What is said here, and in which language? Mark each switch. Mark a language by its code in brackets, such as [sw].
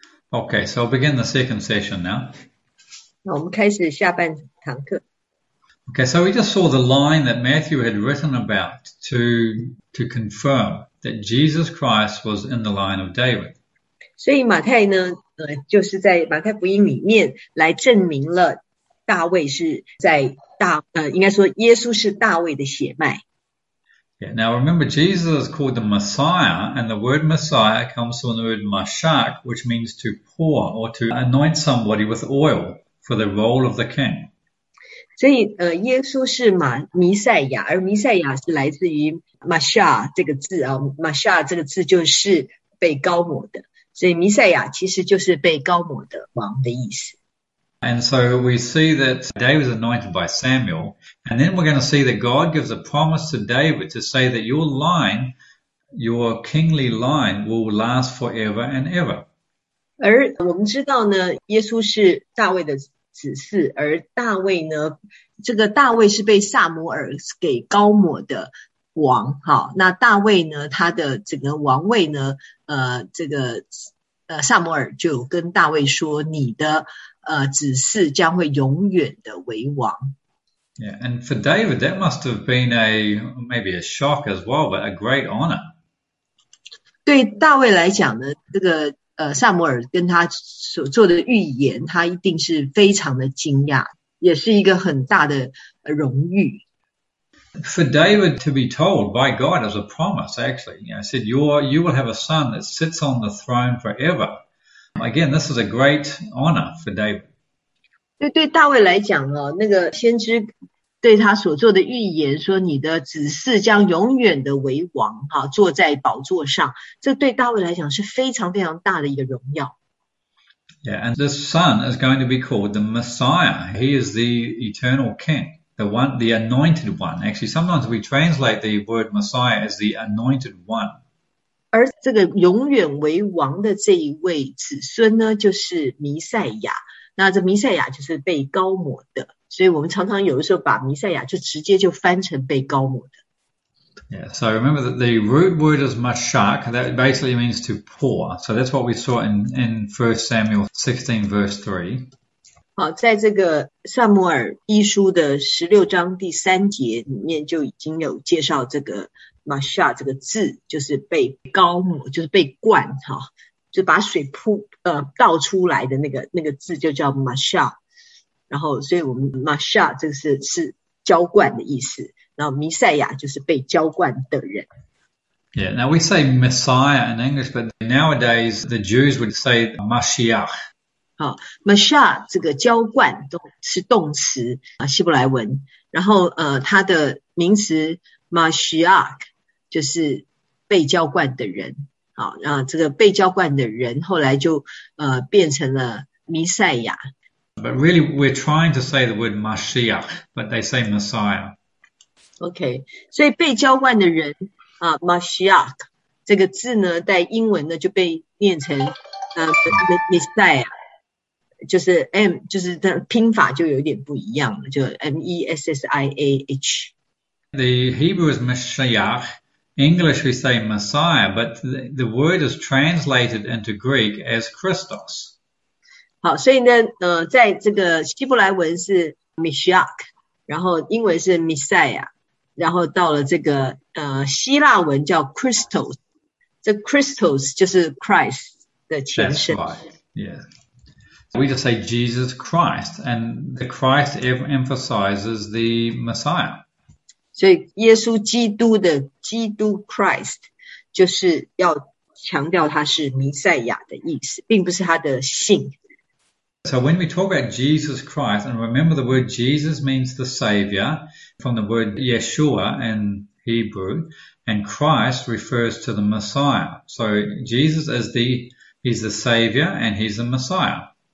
[en] Okay, so begin the second session now. [zh] 那我们开始下半堂课。 [en] Okay, so we just saw the line that Matthew had written about to confirm that Jesus Christ was in the line of David. [zh] 所以马太呢，就是在马太福音里面来证明了大卫是在大，应该说耶稣是大卫的血脉。 [en] Yeah, now remember, Jesus is called the Messiah, and the word Messiah comes from the word mashak, which means to pour or to anoint somebody with oil for the role of the king. [zh] 所以，耶稣是弥赛亚，而弥赛亚是来自于 Masha 这个字啊 ，Masha 这个字就是被高抹的，所以弥赛亚其实就是被高抹的王的意思。 [en] And so we see that David is anointed by Samuel, and then we're going to see that God gives a promise to David to say that your line, your kingly line, will last forever and ever. [zh] 而我们知道呢，耶稣是大卫的子嗣，而大卫呢，这个大卫是被撒母耳给高抹的王。好，那大卫呢，他的整个王位呢，这个撒母耳就跟大卫说，你的子嗣将会永远的为王。 [en] Yeah, and for David, that must have been a maybe a shock as well, but a great honor. [zh] 对大卫来讲呢，这个撒母耳跟他所做的预言，他一定是非常的惊讶，也是一个很大的荣誉。 [en] For David to be told by God as a promise, actually, you know, said you will have a son that sits on the throne forever. Again, this is a great honor for David. [zh] 对大卫来讲哦，那个先知对他所做的预言说，你的子嗣将永远的为王，哈，坐在宝座上。这对大卫来讲是非常非常大的一个荣耀。 [en] Yeah, and this son is going to be called the Messiah. He is the eternal king, the one, the anointed one. Actually, sometimes we translate the word Messiah as the anointed one. [zh] 而这个永远为王的这一位子孙呢，就是弥赛亚。那这弥赛亚就是被高抹的。所以我们常常有的时候把弥赛亚就直接就翻成被高抹的。 [en] Yeah, so remember that the root word is mashak, that basically means to pour. So that's what we saw in 1 Samuel 16 verse 3. [zh] 好，在这个撒母耳一书的16章第3节里面就已经有介绍这个 mashak 这个字，就是被高抹，就是被灌，就把水倒出来的那个字就叫 mashak。然后，所以我们 Masha 这个是浇灌的意思，然后弥赛亚就是被浇灌的人。 [en] Yeah, now we say Messiah in English, but nowadays the Jews would say Mashiach. [zh] 好 ，Masha 这个浇灌都是动词啊，希伯来文。然后它的名词 Mashiach 就是被浇灌的人。好，然后这个被浇灌的人后来就变成了弥赛亚。 [en] But really, we're trying to say the word Mashiach, but they say Messiah. [zh] Okay, 所以被浇灌的人啊 ，Mashiach 这个字呢，在英文呢就被念成Messiah， 就是 M， 就是的拼法就有点不一样了，就 Messiah。 [en] The Hebrew is Mashiach. English we say Messiah, but the word is translated into Greek as Christos. [zh] 好，所以呢，在这个希伯来文是 Mashiach， 然后英文是 Messiah， 然后到了这个希腊文叫 Christos， 这 Christos 就是 Christ 的前身。 [en] That's right. Yeah. We just say Jesus Christ, and the Christ emphasizes the Messiah. [zh] 所以耶稣基督的基督 Christ 就是要强调他是弥赛亚的意思，并不是他的姓。 [en] So when we talk about Jesus Christ, and remember the word Jesus means the Savior from the word Yeshua in Hebrew, and Christ refers to the Messiah. So Jesus is he's the Savior and he's the Messiah.